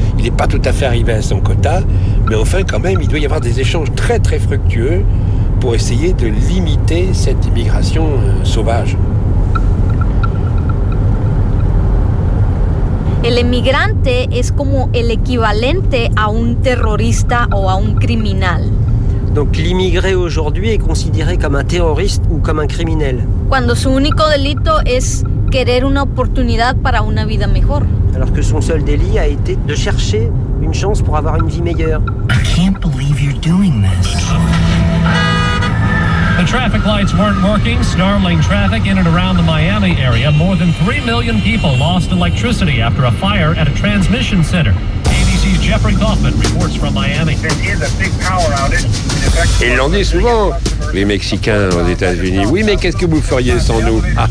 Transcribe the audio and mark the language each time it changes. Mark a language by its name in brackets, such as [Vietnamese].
[French] Il n'est pas tout à fait arrivé à son quota, mais enfin, quand même, il doit y avoir des échanges très, très fructueux pour essayer de limiter cette immigration sauvage. [Spanish] El emigrante es como el equivalente a un terrorista o a un criminal. [French] Donc l'immigré aujourd'hui est considéré comme un terroriste ou comme un criminel. [Spanish] Cuando su único delito es querer una oportunidad para una vida mejor. [French] Alors que son seul délit a été de chercher une chance pour avoir une vie meilleure. [English] I can't believe you're doing this. The traffic lights weren't working, snarling traffic in and around the Miami area. More than 3 million people lost electricity after a fire at a transmission center. ABC's Jeffrey Kaufman reports from Miami. [French] Ils l'ont dit souvent, les Mexicains aux États-Unis. Oui, mais qu'est-ce que vous feriez sans nous?